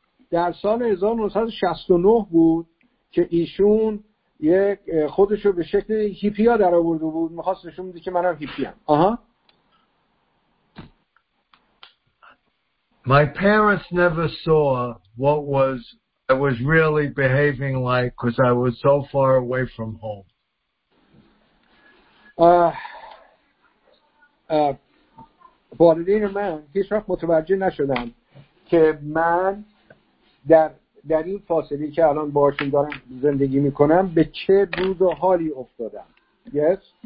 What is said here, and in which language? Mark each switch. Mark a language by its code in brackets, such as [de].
[fa] در سال 1969 بود که ایشون یک خودشو به شکل هیپیا در آورده بود میخواست نشون بده که منم هیپی هم [en] My parents never saw what was I was really behaving like because I was so far away from home. [fa] والدین من هیچ وقت متوجه نشدن که من در این فاصله که الان باهاشون دارم زندگی میکنم به چه روز و حالی افتادم [en] yes